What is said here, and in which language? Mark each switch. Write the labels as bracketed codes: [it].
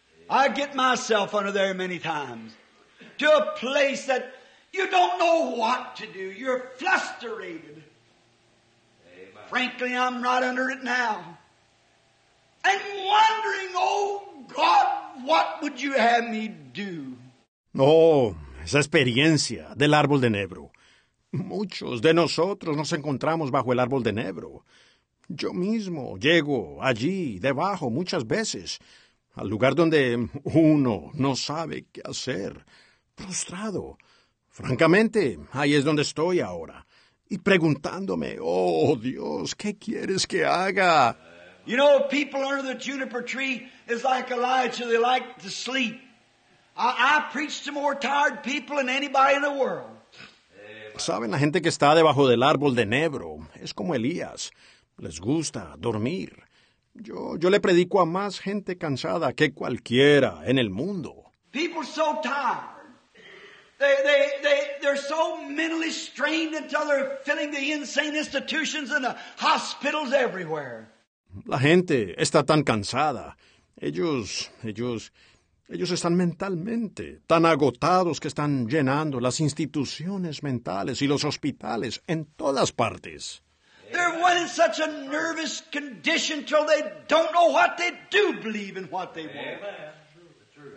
[en] I get myself under there many times. To a place that you don't know what to do. You're flustered. Frankly, I'm right under it now. And wondering, oh God, what would you have me do? [es] Oh, esa experiencia del árbol de enebro. Muchos de nosotros nos encontramos bajo el árbol de enebro. Yo mismo llego allí, debajo, muchas veces, al lugar donde uno no sabe qué hacer, frustrado. Francamente, ahí es donde estoy ahora. Y preguntándome, oh Dios, ¿qué quieres que haga? [en] You know, people under the juniper tree is like Elijah, they like to sleep. I preach to more tired people than anybody in the world. [es] ¿Saben? La gente que está debajo del árbol de enebro es como Elías. Les gusta dormir. Yo le predico a más gente cansada que cualquiera en el mundo. [en] People are so tired. They're so mentally strained until they're filling the insane institutions and the hospitals everywhere. [es] La gente está tan cansada. Ellos están mentalmente tan agotados que están llenando las instituciones mentales y los hospitales en todas partes. [en] They're one in such a nervous condition till they don't know what they do believe in what they want.